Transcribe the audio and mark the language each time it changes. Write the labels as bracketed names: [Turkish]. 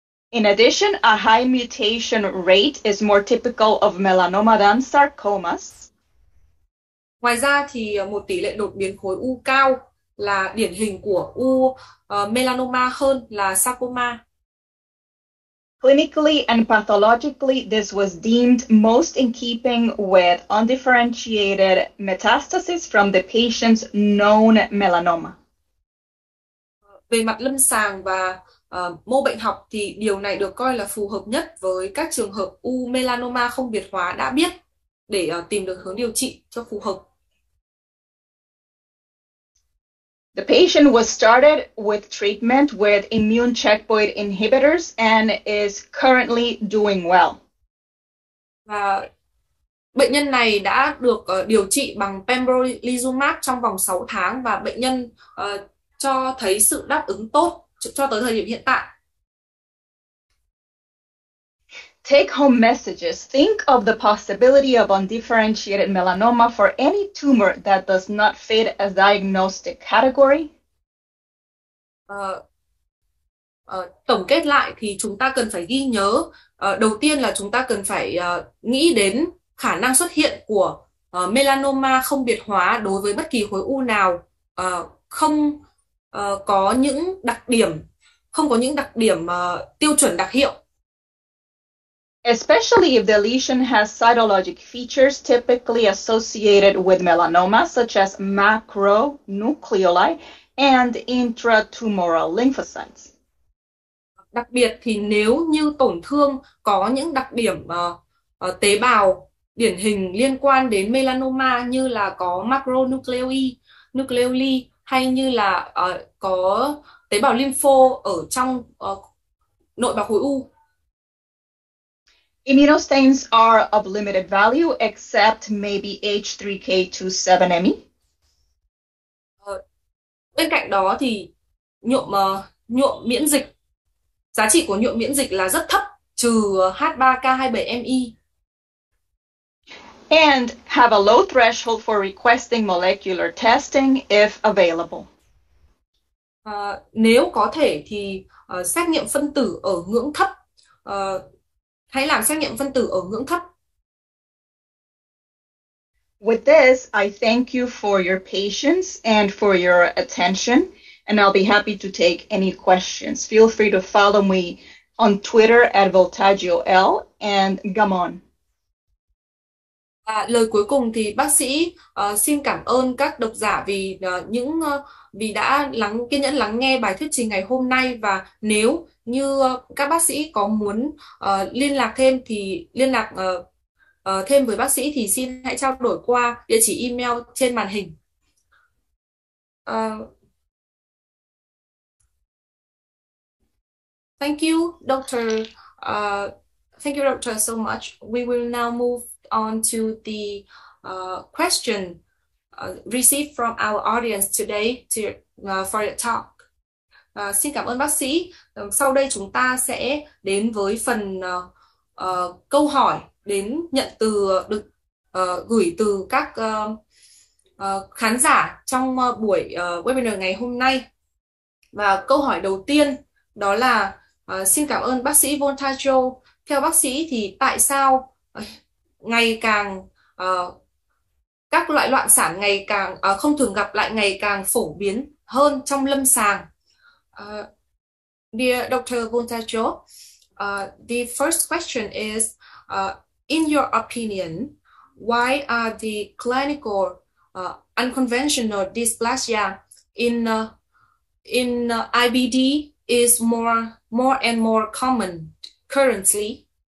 [English] In addition, a high mutation rate is more typical of melanoma than sarcomas. [Vietnamese] Ngoài ra thì một tỷ lệ đột biến khối u cao là điển hình của u melanoma hơn là sarcoma. [English] Clinically and pathologically, this was deemed most in keeping with undifferentiated metastasis from the patient's known melanoma. [Vietnamese] Về mặt lâm sàng và mô bệnh học thì điều này được coi là phù hợp nhất với các trường hợp u melanoma không biệt hóa đã biết để tìm được hướng điều trị cho phù hợp. [English] The patient was started with treatment with immune checkpoint inhibitors and is currently doing well. [Vietnamese] Và bệnh nhân này đã được điều trị bằng pembrolizumab trong vòng 6 tháng và bệnh nhân cho thấy sự đáp ứng tốt cho tới thời điểm hiện tại. [English] Take home messages. Think of the possibility of undifferentiated melanoma for any tumor that does not fit a diagnostic category. [Vietnamese] Tổng kết lại thì chúng ta cần phải ghi nhớ, đầu tiên là chúng ta cần phải nghĩ đến khả năng xuất hiện của melanoma không biệt hóa đối với bất kỳ khối u nào không có những đặc điểm tiêu chuẩn đặc hiệu. [English] Especially if the lesion has cytologic features typically associated with melanoma, such as macronuclei and intratumoral lymphocytes. [Vietnamese] Đặc biệt thì nếu như tổn thương có những đặc điểm tế bào điển hình liên quan đến melanoma như là có macronuclei nucleoli hay như là có tế bào lympho ở trong nội bào khối u. [English] Immunostains are of limited value, except maybe H3K27ME. [Vietnamese] Bên cạnh đó thì nhuộm miễn dịch, giá trị của nhuộm miễn dịch là rất thấp, trừ H3K27ME. [English] And have a low threshold for requesting molecular testing if available. [Vietnamese] Nếu có thể thì xét nghiệm phân tử ở ngưỡng thấp, hãy làm xét nghiệm phân tử ở ngưỡng thấp. [English] With this, I thank you for your patience and for your attention, and I'll be happy to take any questions. Feel free to follow me on Twitter at Voltaggio L and Gamon. [Vietnamese] À, lời cuối cùng thì bác sĩ xin cảm ơn các độc giả vì vì đã kiên nhẫn lắng nghe bài thuyết trình ngày hôm nay, và nếu như các bác sĩ có muốn liên lạc thêm thì liên lạc thêm với bác sĩ thì xin hãy trao đổi qua địa chỉ email trên màn hình. [English] Thank you, doctor. Thank you, doctor, so much. We will now move on to the question received from our audience today to for your talk. [Vietnamese] Xin cảm ơn bác sĩ. Sau đây chúng ta sẽ đến với phần câu hỏi đến nhận từ được gửi từ các khán giả trong buổi webinar ngày hôm nay. Và câu hỏi đầu tiên đó là xin cảm ơn bác sĩ Voltaggio. Theo bác sĩ thì tại sao ngày càng các loại loạn sản ngày càng không thường gặp lại ngày càng phổ biến hơn trong lâm sàng? [English] Dear Dr. Voltaggio, the first question is, in your opinion, why are the clinical unconventional dysplasia in IBD is more and more common currently?